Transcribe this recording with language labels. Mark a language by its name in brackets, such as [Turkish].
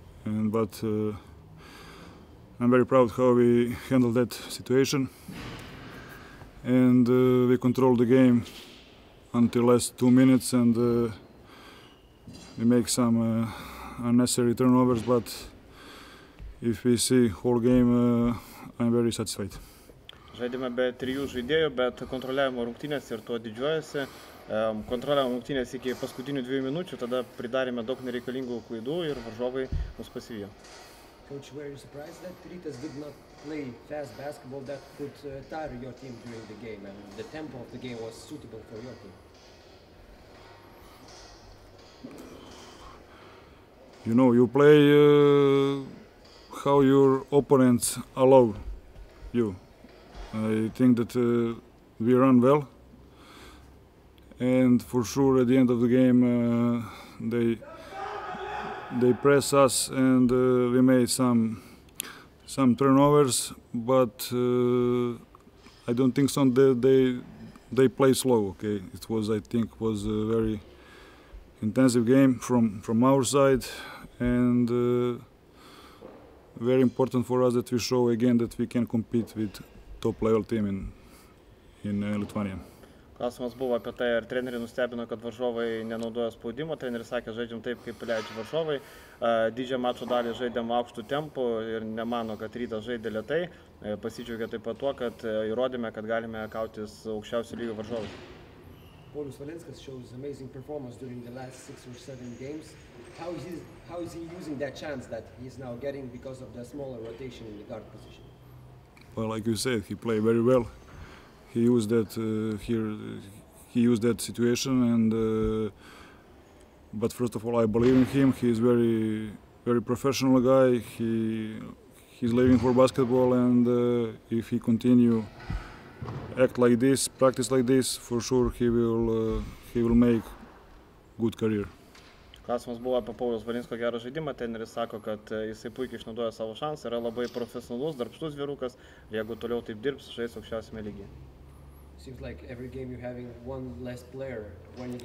[English] But I'm very proud how we handled that situation, and we controlled the game until last 2 minutes, and we make some unnecessary turnovers. But if we see whole game, I'm very satisfied. [Lithuanian] Žaidėme be trijų žaidėjų, bet kontroliavimo rungtynės ir tuo didžiuojasi. Kontroliavimo rungtynės iki paskutinių 2 minučių, tada pridarėme daug nereikalingų klaidų ir varžovai mus pasivijo. [English] Coach, were you surprised that Rytas did not play fast basketball that could tire your team during the game and the tempo of the game was suitable for your team? You know, you play how your opponents allow you. I think that we run well, and for sure at the end of the game they press us and we made some turnovers, but I don't think so that they play slow. Okay, it was I think a very intensive game from our side, and very important for us that we show again that we can compete with top level team in Lithuania. [Lithuanian] Klausimas buvo apie tai, ar treneriai nustebino, kad varžovai nenaudoja spaudimo. Treneris sakė, žaidžiam taip, kaip leidžia varžovai. Didžią mačo dalį žaidėm aukštų tempų ir nemano, kad Rytas žaidė lėtai. Pasidžiaugė taip pat tuo, kad įrodėme, kad galime kautis aukščiausių lygių varžovai. [English] Paulius Valinskas shows amazing performance during the last 6 or 7 games. How is he using that chance that he is now getting because of the smaller rotation in the guard position? Well, like you said, he played very well. He used that situation, and but first of all, I believe in him. He is very, very professional guy. He's living for basketball, and if he continue act like this, practice like this, for sure he will make good career. [Lithuanian] Klausimas buvo apie Pauliaus Valinsko gerą žaidimą. Treneris sako, kad jisai puikiai išnaudoja savo šansą, yra labai profesionalus, darbštus vyrukas, ir jeigu toliau taip dirbs, žais aukščiausiame lygyje. [English] Seems like every game you having one less player when you